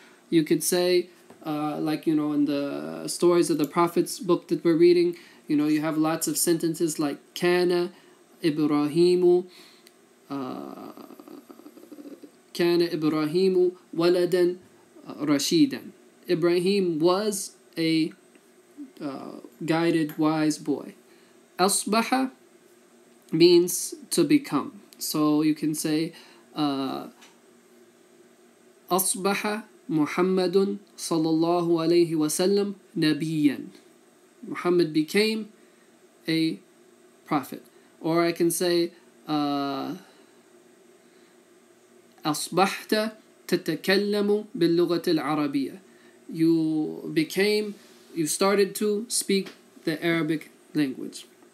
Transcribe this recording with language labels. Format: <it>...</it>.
<en>You could say, in the stories of the Prophet's book that we're reading, you know, you have lots of sentences like kana, Ibrahimu,</en> <ar>كَانَ إِبْرَاهِيمُ وَلَدًا رَشِيدًا.</ar> <en>Ibrahim was a guided, wise boy. أَصْبَحَ means to become. So you can say,</en> <ar>أَصْبَحَ مُحَمَّدٌ صَلَى اللَّهُ عَلَيْهِ وَسَلَّمْ نَبِيًّا.</ar> <en>Muhammad became a prophet. Or I can say,</en> <ar>أصبحت تتكلم باللغة العربية.</ar> <en>You started to speak the Arabic language.</en>